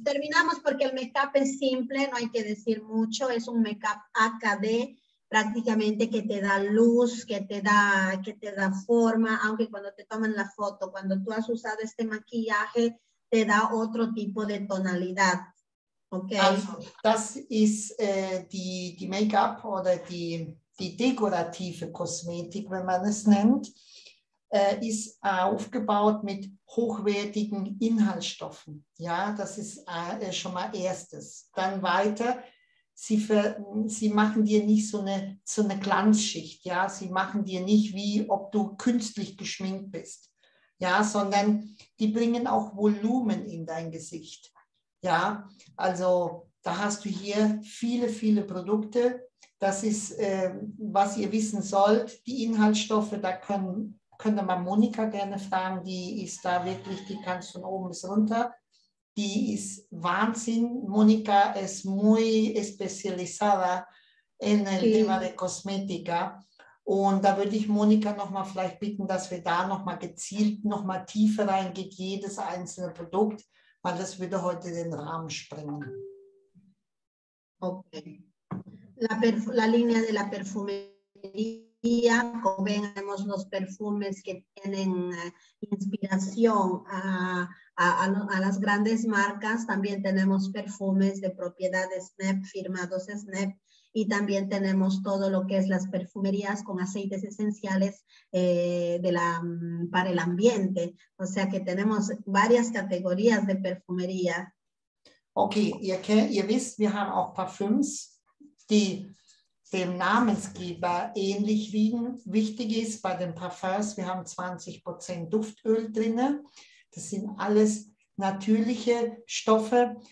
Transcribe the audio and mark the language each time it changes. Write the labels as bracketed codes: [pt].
[es] Terminamos porque el make-up es simple, no hay que decir mucho. Es un make-up AKD. Prácticamente que te da luz, que te da forma, aunque cuando te toman la foto, cuando tú has usado este maquillaje, te da otro tipo de tonalidad. Okay. [de] Also, das ist die Make-up oder die dekorative Kosmetik, wenn man es nennt, ist aufgebaut mit hochwertigen Inhaltsstoffen. Ja, das ist schon mal erstes. Dann weiter. Sie machen dir nicht so eine Glanzschicht, ja. Sie machen dir nicht, wie ob du künstlich geschminkt bist, ja, sondern die bringen auch Volumen in dein Gesicht, ja. Also da hast du hier viele, viele Produkte. Das ist, was ihr wissen sollt, die Inhaltsstoffe, da könnte man Monika gerne fragen. Die ist da wirklich, die kann von oben bis runter. Die ist Wahnsinn. [es] Monika ist muy especializada en el tema de cosmética. [de] Und da würde ich Monika nochmal vielleicht bitten, dass wir da nochmal gezielt nochmal tiefer reingeht, jedes einzelne Produkt, weil das würde heute den Rahmen sprengen. Okay. [es] La línea de la perfumería, como ven, tenemos los perfumes que tienen inspiración a las grandes marcas. También tenemos perfumes de propiedad de SNAP, firmados SNAP, y también tenemos todo lo que es las perfumerías con aceites esenciales para el ambiente. O sea que tenemos varias categorías de perfumería. [de] Okay, ihr wisst, wir haben auch Parfüms, die dem Namensgeber ähnlich liegen. Wichtig ist bei den Parfums, wir haben 20% Duftöl drin. Das sind alles natürliche Stoffe.